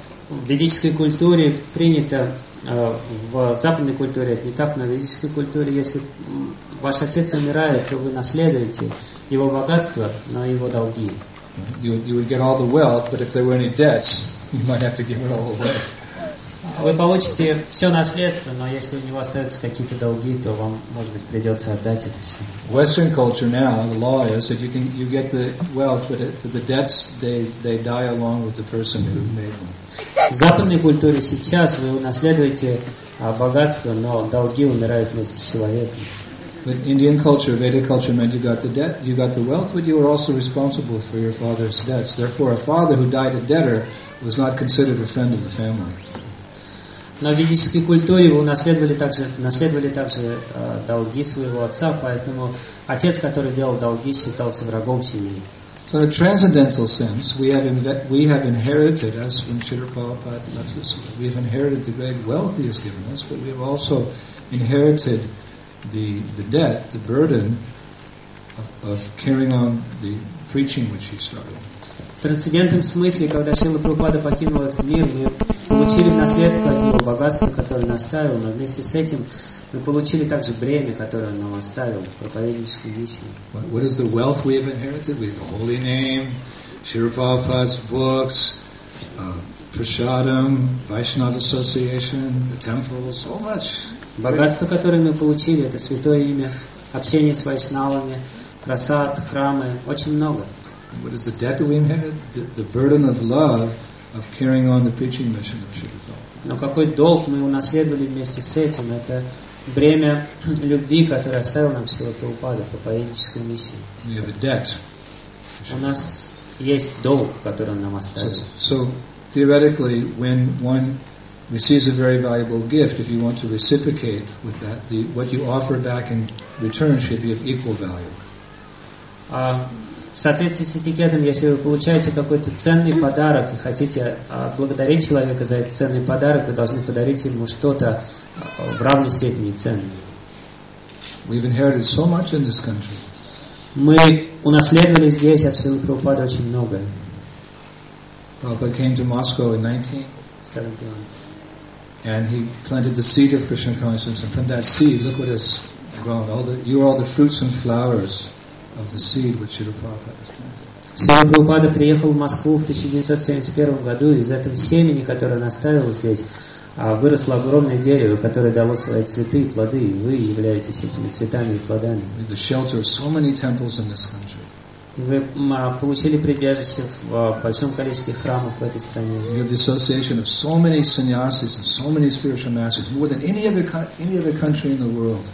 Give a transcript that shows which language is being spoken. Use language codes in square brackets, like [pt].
[ru] В ведической культуре принято, в западной культуре это не так, но в ведической культуре, если ваш отец умирает, то вы наследуете его богатство, но его долги. [en] You would get all the wealth, but if there were any debts, you might have to give it all away. [ru] Вы получите все наследство, но если у него остаются какие-то долги, то вам, может быть, придется отдать это все. [en] Western culture now, the law is that you get the wealth, but the debts they die along with the person who made them. [ru] В западной культуре сейчас вы унаследуете богатство, но долги умирают вместе с человеком. [en] But Indian culture, Vedic culture, meant you got the debt, you got the wealth, but you were also responsible for your father's debts. Therefore, a father who died a debtor was not considered a friend of the family. [ru] На ведической культуре вы наследовали также долги своего отца, поэтому отец, который делал долги, считался врагом семьи. [en] So in a transcendental sense, we have inherited, as when Srila Prabhupada left us, we have inherited the great wealth he has given us, but we have also inherited the debt, the burden of carrying on the preaching which he started. [ru] В трансцендентном смысле, когда Шрила Прабхупада покинул этот мир, мы получили в наследство от него богатство, которое он оставил, но вместе с этим мы получили также бремя, которое он нам оставил, проповедническую миссию. [en] What is the wealth we have inherited? We have a holy name, Shri Prabhupada's books, Prasadam, Vaishnava Association, the temples, so much. [ru] Богатство, которое мы получили, это святое имя, общение с вайшнавами, прасад, храмы, очень много. [en] What is the debt that we inherited? The burden of love of carrying on the preaching mission of Srila Prabhupada. [ru] Но какой долг мы унаследовали вместе с этим? Это бремя любви, которое оставил нам Шрила Прабхупада по поэтической миссии. [en] We have a debt. [ru] У нас есть долг, который он нам оставил. [en] So theoretically, when one receives a very valuable gift, if you want to reciprocate with that, what you offer back in return should be of equal value. [ru] В соответствии с этикетом, если вы получаете какой-то ценный подарок и хотите отблагодарить человека за этот ценный подарок, вы должны подарить ему что-то в равной степени ценное. [en] We've inherited so much in this country. [ru] Мы унаследовали здесь от Шрилы Прабхупады очень многое. [en] Prabhupada came to Moscow in 1971. And he planted the seed of Krishna consciousness. And from that seed, look what has grown. You are all the fruits and flowers of the seed which Srila Prabhupada has planted. [ru] Srila Prabhupada приехал в Москву в 1971 году, и из этого семени, которое он оставил здесь, выросло огромное дерево, которое дало свои цветы и плоды, и вы являетесь этими цветами и плодами. [en] The shelter of so many temples in this country. [ru] Вы получили прибежище в большом количестве храмов в этой стране. [en] You have the association of so many sannyasis and so many spiritual masters, more than any other country in the world.